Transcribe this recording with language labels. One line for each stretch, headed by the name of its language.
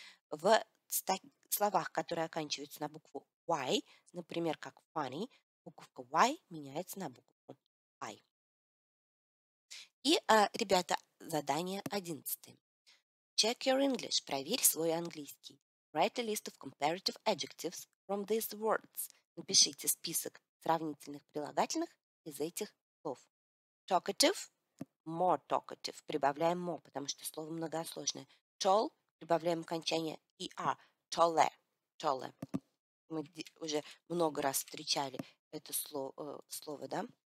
Russian: В словах, которые оканчиваются на букву Y, например, как funny, буковка Y меняется на букву I. И, ребята, задание 11.
English: Check your English.
Russian: Проверь свой английский.
English: Write a list of comparative adjectives from these words.
Russian: Напишите список сравнительных прилагательных из этих слов.
English: Talkative, more talkative.
Russian: Прибавляем more, потому что слово многосложное.
English: Tall,
Russian: прибавляем окончание
English: er. Taller, taller.
Russian: Мы уже много раз встречали это слово, да?